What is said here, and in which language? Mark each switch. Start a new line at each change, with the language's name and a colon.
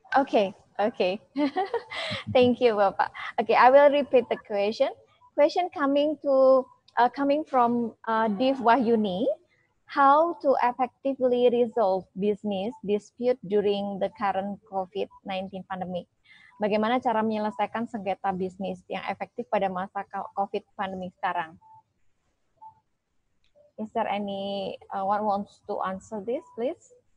English: Okay, okay. Thank you, Bapak. Okay, I will repeat the question. Question coming to coming from Div Wahyuni, how to effectively resolve business dispute during the current COVID-19 pandemic?
Indonesian: Bagaimana cara menyelesaikan sengketa bisnis yang efektif pada masa COVID pandemic sekarang?
English: Is there any one wants to answer this, please?